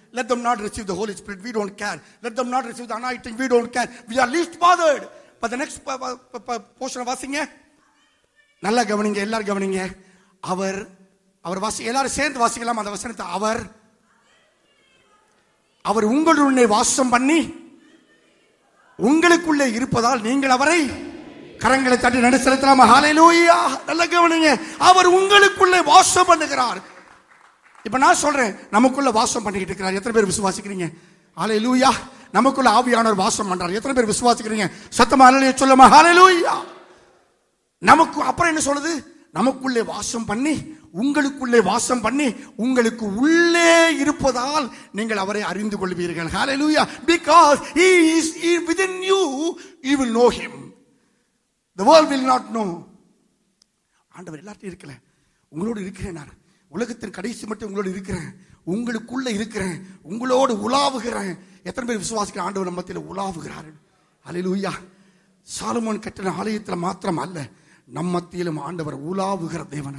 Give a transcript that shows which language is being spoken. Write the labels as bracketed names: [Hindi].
[English] Let them not receive the Holy Spirit, we don't care. Let them not receive the anointing, we don't care. We are least bothered. But the next portion of [Tamil] வாசிங்க, நல்ல கவனிங்க, எல்லாரும் கவனிங்க. அவர் வாசி, எல்லாரும் சேர்ந்து வாசிக்கலாம் அந்த வசனத்தை. அவர் உங்களுடைய வாசம் பண்ணி உங்களுக்குள்ளே இருப்பதால் நீங்கள் அவரை, கரங்களை தட்டி நடு செலுத்தலாமா? ஹல்லேலூயா! நல்ல கவனிங்க, அவர் உங்களுக்குள்ளே வாசம் பண்ணுகிறார். இப்ப நான் சொல்றேன், நமக்குள்ள வாசம் பண்ணிக்கிட்டு இருக்கிறார். எத்தனை பேர் விசுவாசிக்கிறீங்க? ஹல்லேலூயா! நமக்குள்ள ஆவியானவர் வாசம் பண்றார். எத்தனை பேர் விசுவாசிக்கிறீங்க? சத்தமா ஹல்லேலூயா சொல்லுமா? ஹல்லேலூயா! நமக்கு அப்புறம் என்ன சொல்றது? நமக்குள்ளே வாசம் பண்ணி உங்களுக்குள்ளே வாசம் பண்ணி உங்களுக்கு உள்ளே இருப்பதால் நீங்கள் அவரை அறிந்து கொள்வீர்கள். [English] Hallelujah! Because he is within you, you will know him. The world will not know. [Tamil] ஆண்டவர் எல்லார்ட்டும் இருக்கல, உங்களோடு இருக்கிறேன். உலகத்தின் கடைசி மட்டும் உங்களோடு இருக்கிறேன், உங்களுக்குள்ள இருக்கிறேன், உங்களோடு உலாவுகிறேன். எத்தனை பேர் விசுவாசிக்கிற ஆண்டவர் நம்மத்தில் உலாவுகிறார்? Hallelujah! சாலமோன் கட்டின ஆலயத்தில் மாத்திரம் அல்ல, நம்மத்திலும் ஆண்டவர் உலாவுகிற தேவன்.